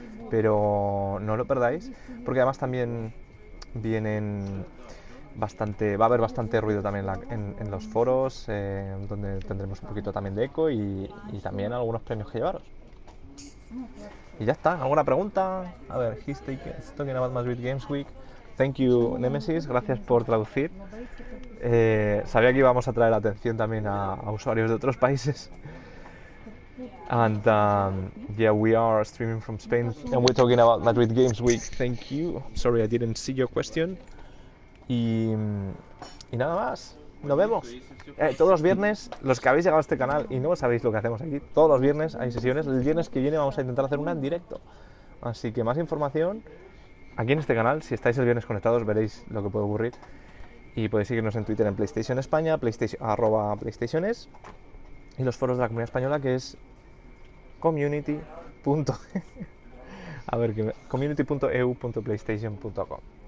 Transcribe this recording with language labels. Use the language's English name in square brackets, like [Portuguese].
[Spanish] Pero no lo perdáis, porque además también vienen bastante. Va a haber bastante ruido también en los foros, donde tendremos un poquito también de eco y también algunos premios que llevaros. Y ya está, ¿alguna pregunta? A ver, [English] he's talking about Madrid Games Week. Thank you, [Spanish] Nemesis, gracias por traducir. Sabía que íbamos a traer atención también a usuarios de otros países. [English] And yeah, we are streaming from Spain and we're talking about Madrid Games Week. Thank you. Sorry, I didn't see your question. [Spanish] Y nada más, nos vemos. Todos los viernes, los que habéis llegado a este canal y no sabéis lo que hacemos aquí, todos los viernes hay sesiones. El viernes que viene vamos a intentar hacer una en directo. Así que más información aquí en este canal. Si estáis el viernes conectados, veréis lo que puede ocurrir. Y podéis seguirnos en Twitter en PlayStation España, @PlayStationes, y los foros de la comunidad española, que es community.eu.playstation.com.